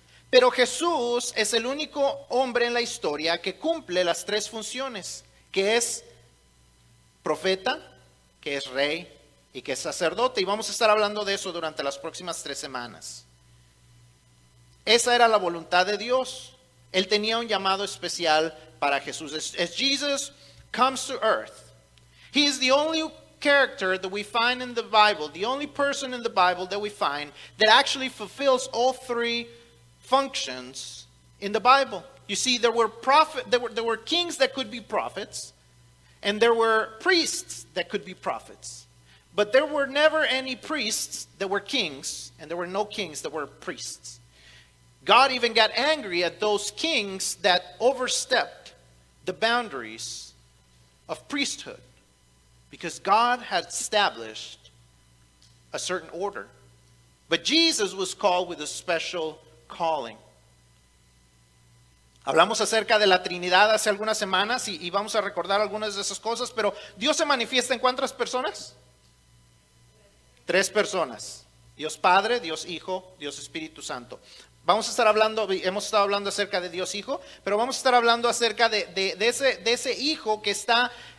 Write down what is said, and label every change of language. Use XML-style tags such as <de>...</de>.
<es>Pero Jesús es el único hombre en la historia que cumple las tres funciones, que es profeta, que es rey y que es sacerdote. Y vamos a estar hablando de eso durante las próximas tres semanas. Esa era la voluntad de Dios. Él tenía un llamado especial para Jesús.</es> <en>As Jesus comes to earth, he is the only character that we find in the Bible, the only person in the Bible that we find that actually fulfills all three functions in the Bible. You see, there were kings that could be prophets, and there were priests that could be prophets. But there were never any priests that were kings, and there were no kings that were priests. God even got angry at those kings that overstepped the boundaries of priesthood, because God had established a certain order. But Jesus was called with a special calling.</en> <es>Hablamos acerca de la Trinidad hace algunas semanas y vamos a recordar algunas de esas cosas, pero Dios se manifiesta en ¿cuántas personas? Tres personas: Dios Padre, Dios Hijo, Dios Espíritu Santo. Vamos a estar hablando, hemos estado hablando acerca de Dios Hijo, pero vamos a estar hablando acerca de ese Hijo que está.</es>